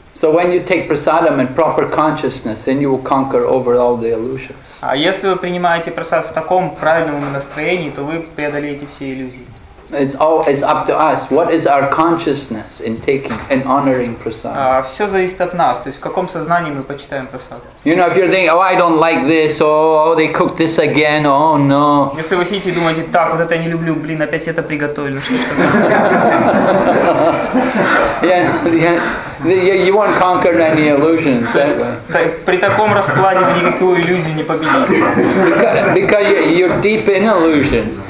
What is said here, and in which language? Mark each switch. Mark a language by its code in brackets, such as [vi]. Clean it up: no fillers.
[en] So when you take prasadam in proper consciousness, then you will conquer over all the illusions. [ru] А если вы принимаете прасад в таком правильном настроении, то вы преодолеете все иллюзии. [en] It's up to us. What is our consciousness in taking and honoring prasad? [ru] Все зависит от нас. То есть, в каком сознании мы почитаем прасад? [en] You know, if you're thinking, oh, I don't like this, oh, they cooked this again, oh, no. [ru] Если вы сидите и думаете, так, вот это я не люблю, блин, опять это приготовили, что ж такое? [en] Yeah, you won't conquer any illusions. [ru] При таком раскладе вы никакую иллюзию не победите. [en] Because you're deep in illusion.